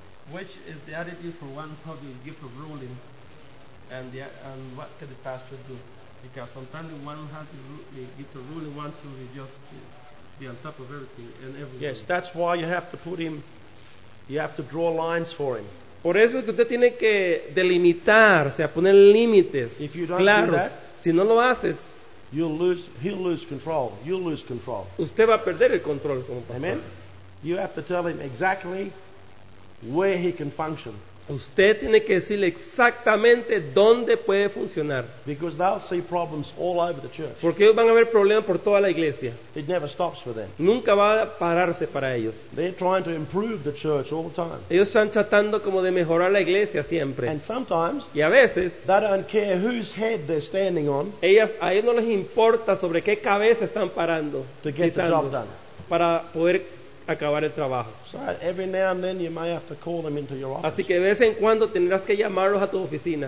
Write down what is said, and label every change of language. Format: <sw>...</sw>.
<en>Which is the attitude for one who gives the gift of ruling? And what can the pastor do? Because sometimes one has to get to rule, one to be just to be on top of everything and everything. Yes, that's why you have to put him. You have to draw lines for him.</en> <es>Por eso es que usted tiene que delimitar, o sea, poner límites.</es> <en>If you don't</en> <es>claros,</es> <en>do that,</en> <es>si no lo haces,</es> <en>he'll lose control.</en> <es>Usted va a perder el control como pastor.</es> <en>Amen. You have to tell him exactly where he can function.</en> <es>Usted tiene que decirle exactamente dónde puede funcionar.</es> <en>Because they'll see problems all over the church.</en> <es>Porque ellos van a ver problemas por toda la iglesia.</es> <en>It never stops for them.</en> <es>Nunca va a pararse para ellos.</es> <en>They're trying to improve the church all the time.</en> <es>Ellos están tratando como de mejorar la iglesia siempre.</es> <en>And sometimes,</en> <es>y a veces,</es> <en>they don't care whose head they're standing on.</en> <es>A ellos no les importa sobre qué cabeza están parando.</es> <en>To get the job done.</en> <es>Para poder acabar el trabajo. Así que de vez en cuando tendrás que llamarlos a tu oficina.</es>